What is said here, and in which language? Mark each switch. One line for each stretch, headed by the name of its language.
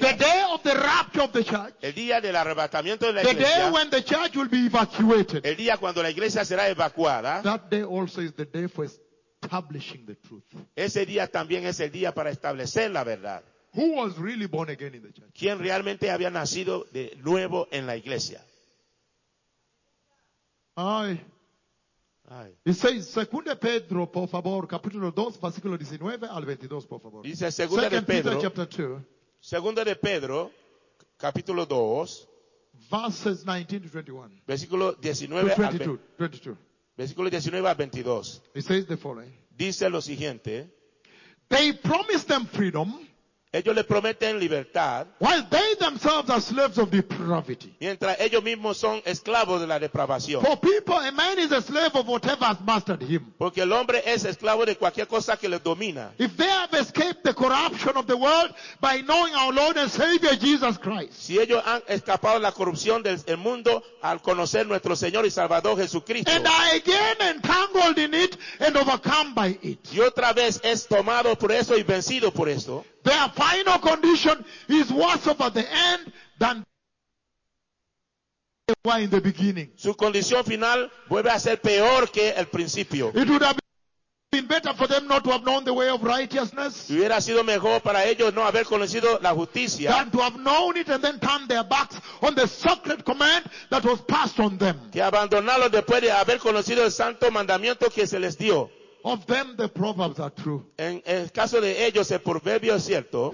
English: the day of the rapture of the church,
Spanish: el día del arrebatamiento de la
English: the
Spanish: iglesia,
English: day when the church will be evacuated,
Spanish: el día cuando la iglesia será evacuada,
English: that day also is the day for establishing the truth.
Spanish: Ese día también es el día para establecer la verdad.
English: Who was really born again in the church?
Spanish: ¿Quién realmente había nacido de nuevo en la iglesia? Ay. Ay.
English: It says,
Spanish: Segunda Pedro, por favor, capítulo 2, versículo 19 al 22, por favor. Dice, Segunda
English: Second
Spanish: de Pedro,
English: Peter, chapter 2,
Spanish: Segunda de Pedro, capítulo 2,
English: verses 19 to 21,
Spanish: versículo 19
English: to 22,
Spanish: al 22. Versículo 19 al 22.
English: It says the following.
Spanish: Dice lo siguiente.
English: They promised them freedom.
Spanish: Ellos le prometen libertad.
English: While they themselves are slaves of depravity.
Spanish: Mientras ellos mismos son esclavos de la depravación.
English: For people, a man is a slave of whatever has mastered him.
Spanish: Porque el hombre es esclavo de cualquier cosa que le domina.
English: If they have escaped the corruption of the world by knowing our Lord and Savior Jesus Christ.
Spanish: Si ellos han escapado de la corrupción del mundo al conocer nuestro Señor y Salvador Jesucristo.
English: And are again entangled in it and overcome by it.
Spanish: Y otra vez es tomado por eso y vencido por eso.
English: Their final condition is worse at the end than they were in the beginning.
Spanish: Su condición final vuelve a ser peor que el principio.
English: It would have been better for them not to have known the way of righteousness.
Spanish: Hubiera sido mejor para ellos no haber conocido la justicia.
English: Than to have known it and then turn their backs on the sacred command that was passed on them.
Spanish: Que abandonarlo después de haber conocido el santo mandamiento que se les dio.
English: Of them the proverbs are true.
Spanish: En el caso de ellos el proverbio es cierto.